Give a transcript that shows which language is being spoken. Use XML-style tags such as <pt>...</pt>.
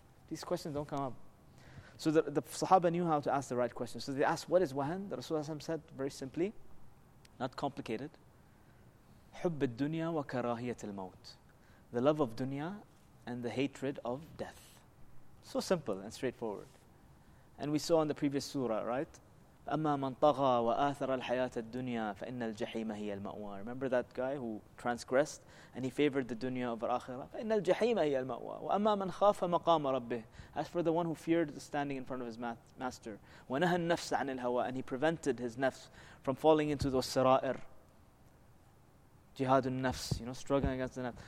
<en>These questions don't come up. So the Sahaba knew how to ask the right questions. So they asked, what is wahan? The Rasulullah said very simply, not complicated,</en> <ar>حب الدنيا وكراهية الموت.</ar> <en>The love of dunya and the hatred of death. So simple and straightforward. And we saw in the previous surah, right?</en> <ar>أما من طغى وآثر الحياة الدنيا فإن الجحيم هي المأوى.</ar> <en>Remember that guy who transgressed and he favored the dunya over akhirah?</en> <ar>فإن الجحيم هي المأوى. وأما من خاف مقام ربه.</ar> <en>As for the one who feared standing in front of his master.</en> <ar>ونهى النفس عن الهوى.</ar> <en>And he prevented his nafs from falling into those sirair. Jihadun nafs, you know, struggling against the nafs.</en>